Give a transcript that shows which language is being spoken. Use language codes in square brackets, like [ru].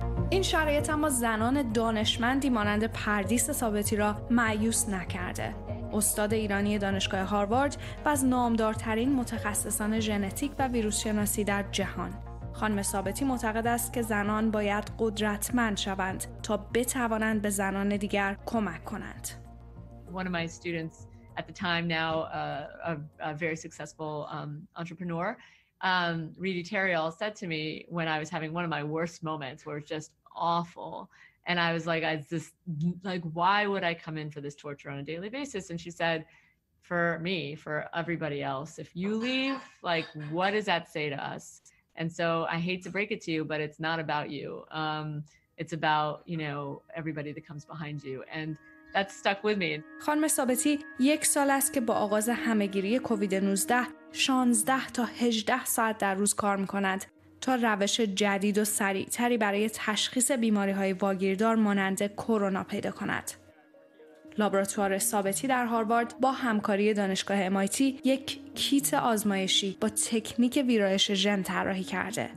[fa] این شرایط اما زنان دانشمندی مانند پردیس ثابتی را مایوس نکرده. استاد ایرانی دانشگاه هاروارد و از نامدارترین متخصصان ژنتیک و ویروس‌شناسی در جهان، خانم ثابتی معتقد است که زنان باید قدرتمند شوند تا بتوانند به زنان دیگر کمک کنند. [en] One of my students at the time now a very successful entrepreneur Reedy Terrial said to me when I was having one of my worst moments where it was just awful and I was like why would I come in for this torture on a daily basis and she said for me for everybody else if you leave like what does that say to us And so I hate to break it to you, but it's not about you. It's about, you know, everybody that comes behind you. And that stuck with me. [fa] خانم ثابتی یک سال است که با آغاز همه‌گیری کووید 19 16 تا 18 ساعت در روز کار می‌کند تا روش جدید و سریع‌تری برای تشخیص بیماری‌های واگیردار مانند کرونا پیدا کند. لابراتوار ثابتی در هاروارد با همکاری دانشگاه MIT یک کیت آزمایشی با تکنیک ویرایش ژن طراحی کرده.